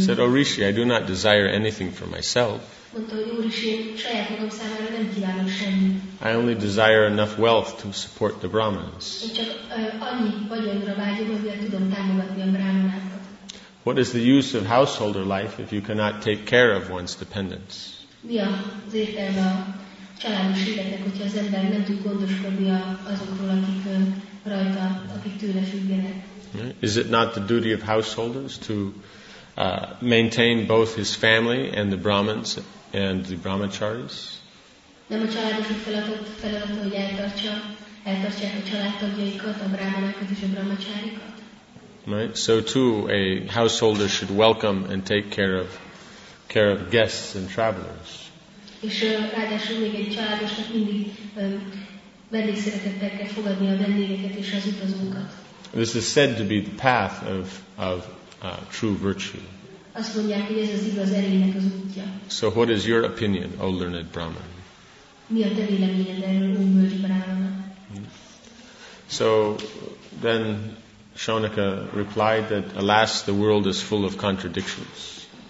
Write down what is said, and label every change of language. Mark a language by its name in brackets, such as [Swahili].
[English] said, O Rishi, I do not desire anything for myself. I only desire enough wealth to support the Brahmanas. What is the use of householder life if you cannot take care of one's dependents? [Hungarian] Mi az értelme a családos életnek, hogyha az ember nem tud gondoskodni azokról, akik rajta, akik tőle függenek? [English] Is it not the duty of householders to maintain both his family and the Brahmins and the Brahmacharis? [Hungarian] Nem a családosok feladat, hogy eltartsák a családtagjaikat, a Brahmanákat és a Brahmacharikat? [English] Right. So too, a householder should welcome and take care of guests and travelers. [Hungarian] És ráadásul még egy családosnak mindig vendégszeretettel kell fogadni a vendégeket és az utazókat. [English] This is said to be the path of true virtue. [Hungarian] Azt mondják, hogy ez az igaz erénynek az útja. [English] So what is your opinion, O learned Brahman? [Hungarian] Mi a te véleményed erről, O bölcs Brahman? [English] So then Shonaka replied that, alas, the world is full of contradictions.